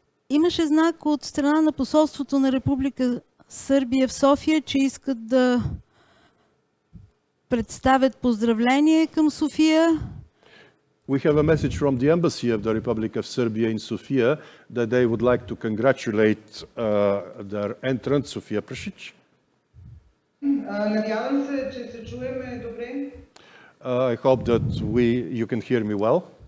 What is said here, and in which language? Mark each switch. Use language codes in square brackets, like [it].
[bg] Имаше знак от страна на посолството на Република Сърбия в София, че искат да представят поздравление към София. [en] We have a message from the embassy of the Republic of Serbia in Sofia that they would like to congratulate their entrant, Sofia Prusic. [bg] Надявам се, че се чуваме добре. [en] I hope that you can hear me well.